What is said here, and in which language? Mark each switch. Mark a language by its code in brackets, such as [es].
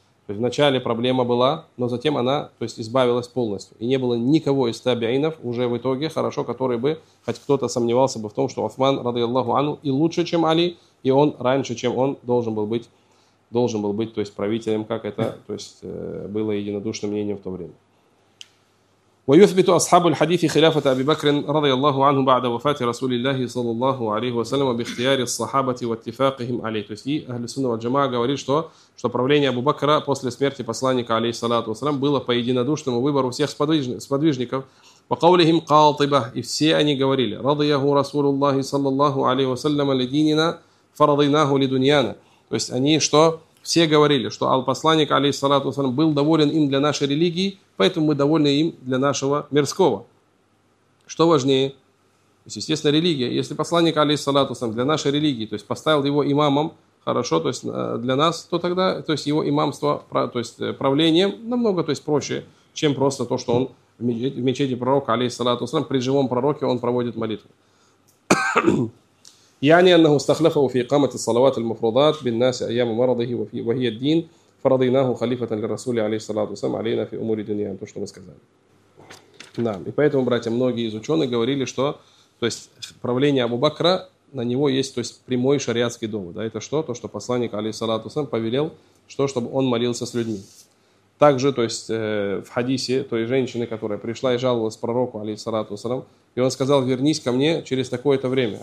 [ru] То есть вначале проблема была, но затем она, то есть, избавилась полностью. И не было никого из табиинов уже в итоге, хорошо, который бы, хоть кто-то сомневался бы в том, что Усман, радиаллаху анху, и лучше, чем Али, и он раньше, чем он, должен был быть, то есть, правителем, как это, то есть, было единодушным мнением в то время. [ar] ويثبت أصحاب الحديث خلافة أبي بكر رضي الله عنه بعد وفاة رسول الله صلى الله عليه وسلم باختيار الصحابة واتفاقهم عليه. [ru] То есть [ar] أهل السنة والجماعة [ru] говорит, что правление Абу Бакра после смерти посланника عليه الصلاة والسلام было по единодушному выбору всех сподвижников. [ar] وقولهم قاطبة. [ru] И все они говорили: [ar] رضيه رسول الله صلى الله عليه وسلم لديننا فرضيناه لدنيانا. [ru] То есть они что? Все говорили, что посланник, алейхиссалату вассалям, был доволен им для нашей религии, поэтому мы довольны им для нашего мирского. Что важнее? То есть, естественно, религия. Если посланник, алейхиссалату вассалям, для нашей религии, то есть поставил его имамом, хорошо, то есть для нас, то тогда, то есть его имамство, то есть правление намного, то есть проще, чем просто то, что он в мечети пророка, алейхиссалату вассалям, при живом пророке он проводит молитву. [ar] يعني أنه استخلفه في إقامة الصلوات المفروضات بالناس أيام مرضه وهي الدين فرضيناه خليفة للرسول عليه الصلاة والسلام علينا في أمور الدنيا. [ru] То, что мы сказали. Да. И поэтому, братья, многие из ученых говорили, что, то есть, правление Абу Бакра, на него есть, то есть, прямой шариатский довод. Да, это что? То, что посланник, алейхиссалату вассалям, повелел, что, чтобы он молился с людьми. Также, то есть, в хадисе той женщины, которая пришла и жаловалась пророку, алейхиссалату вассалям, и он сказал: вернись ко мне через такое-то время.